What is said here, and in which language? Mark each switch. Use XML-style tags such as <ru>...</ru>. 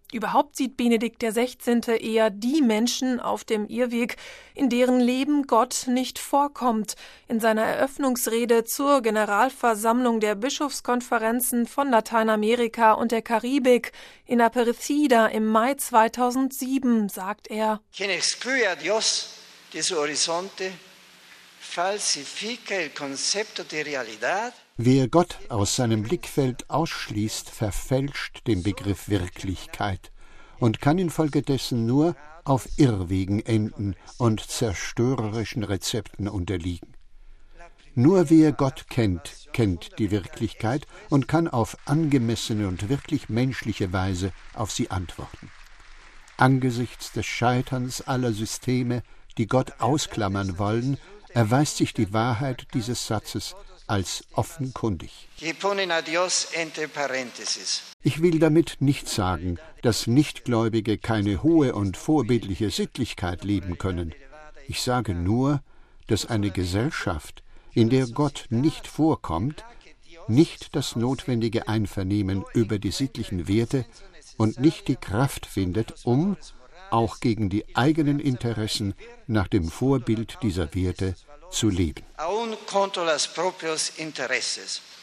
<de>Überhaupt sieht Benedikt XVI. Eher die Menschen auf dem Irrweg, in deren Leben Gott nicht vorkommt. In seiner Eröffnungsrede zur Generalversammlung der Bischofskonferenzen von Lateinamerika und der Karibik in Aparecida im Mai 2007 sagt er:</de> <es>Quien excluye a Dios de su horizonte falsifica el concepto de realidad.</es> <de>Wer Gott aus seinem Blickfeld ausschließt, verfälscht den Begriff Wirklichkeit und kann infolgedessen nur auf Irrwegen enden und zerstörerischen Rezepten unterliegen. Nur wer Gott kennt, kennt die Wirklichkeit und kann auf angemessene und wirklich menschliche Weise auf sie antworten. Angesichts des Scheiterns aller Systeme, die Gott ausklammern wollen, erweist sich die Wahrheit dieses Satzes als offenkundig. Ich will damit nicht sagen, dass Nichtgläubige keine hohe und vorbildliche Sittlichkeit leben können. Ich sage nur, dass eine Gesellschaft, in der Gott nicht vorkommt, nicht das notwendige Einvernehmen über die sittlichen Werte und nicht die Kraft findet, um auch gegen die eigenen Interessen nach dem Vorbild dieser Werte zu leben.</de> <es>Aun contra los propios intereses.</es>